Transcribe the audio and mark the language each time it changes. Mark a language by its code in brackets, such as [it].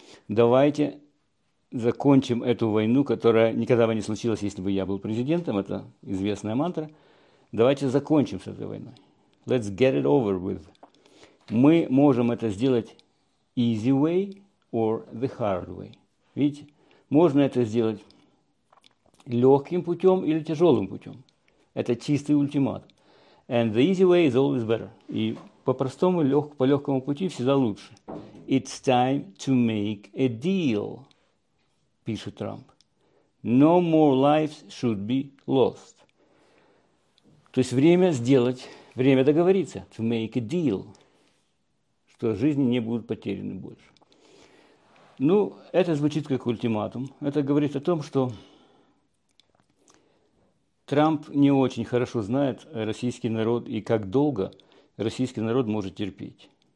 [ru] Давайте закончим эту войну, которая никогда бы не случилась, если бы я был президентом, это известная мантра. Давайте закончим с этой войной. [en] Let's get it over with. [ru] Мы можем это сделать [en] easy way or the hard way. [ru] Видите, можно это сделать легким путем или тяжелым путем. Это чистый ультимат. [en] And the easy way is always better. [ru] И по-простому, по легкому пути всегда лучше. [en] It's time to make a deal, [ru] пишет Трамп. [en] No more lives should be lost. [ru] То есть время договориться, [en] to make a deal, [ru] что жизни не будут потеряны больше. Ну, это звучит как ультиматум. Это говорит о том, что Трамп не очень хорошо знает российский народ и как долго российский народ может терпеть.